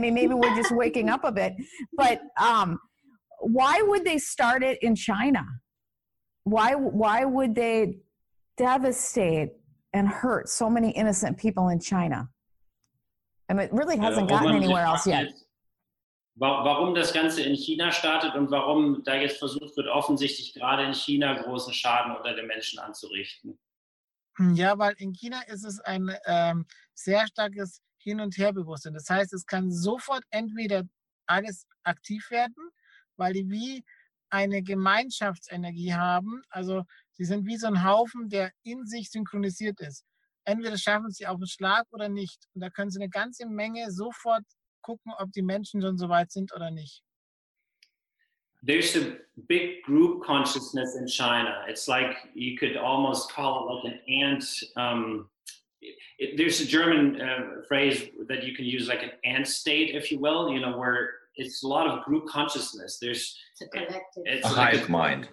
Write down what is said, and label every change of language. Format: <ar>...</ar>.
<en>I mean, maybe we're just waking up a bit, but why would they start it in China? Why would they devastate and hurt so many innocent people in China? I mean, it really hasn't gotten anywhere else yet.</en> <de>Warum das Ganze in China startet und warum da jetzt versucht wird, offensichtlich gerade in China großen Schaden unter den Menschen anzurichten? Ja, weil in China ist es ein sehr starkes Hin- und Herbewusstsein. Das heißt, es kann sofort entweder alles aktiv werden, weil die wie eine Gemeinschaftsenergie haben. Also sie sind wie so ein Haufen, der in sich synchronisiert ist. Entweder schaffen sie auf den Schlag oder nicht. Und da können sie eine ganze Menge sofort gucken, ob die Menschen schon so weit sind oder nicht.</de> <en>There's a big group consciousness in China. It's like you could almost call it like an ant. There's a German phrase that you can use, like an ant state, if you will, you know, where it's a lot of group consciousness. There's it's a hive like mind.</en>